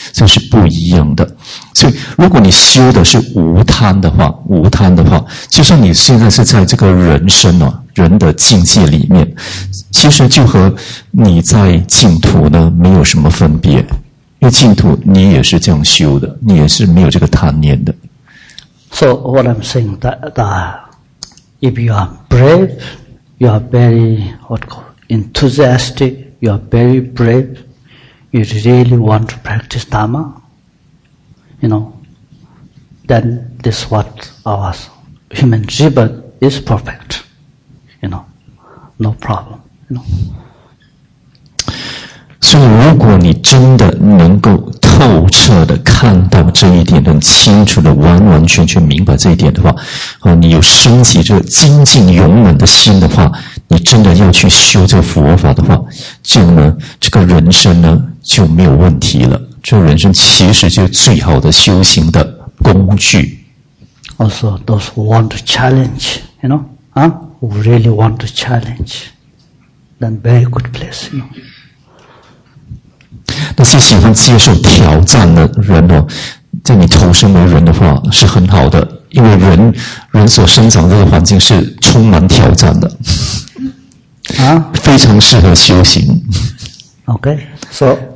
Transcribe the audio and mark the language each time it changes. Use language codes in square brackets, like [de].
[zh] 这是不一样的。所以如果你修的是无贪的话，就像你现在是在这个人生啊，人的境界里面，其实就和你在净土呢没有什么分别，因为净土你也是这样修的，你也是没有这个贪念的。 [en] So what I'm saying that if you are brave, you are very enthusiastic, you are very brave, you really want to practice Dharma, you know, then this is what our human rebirth is perfect, you know, no problem, you know. [zh] 所以如果你真的能够透彻的看到这一点，很清楚的完完全全明白这一点的话，你有升起这精进勇猛的心的话，你真的要去修这佛法的话，这样呢，这个人生呢就没有问题了。这人生其实就是最好的修行的工具。 [en] Also, those who want to challenge, you know, who really want to challenge, then very good place, you know. [zh] 那些喜欢接受挑战的人呢，在你投身为人的话是很好的，因为人所生长的这个环境是充满挑战的，非常适合修行。 [en] Okay, so.